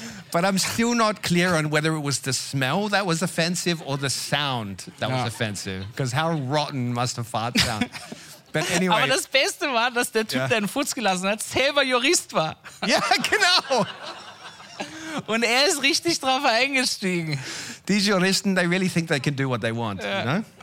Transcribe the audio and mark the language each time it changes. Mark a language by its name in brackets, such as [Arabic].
[English] But I'm still not clear on whether it was the smell that was offensive or the sound that was offensive. Because how rotten must a fart sound. But anyway. [German] Aber das Beste war, dass der Typ, der einen Furz gelassen hat, selber Jurist war. [English] Yeah, genau. [German] Und ist richtig drauf eingestiegen. [English] These Juristen, they really think they can do what they want, you know?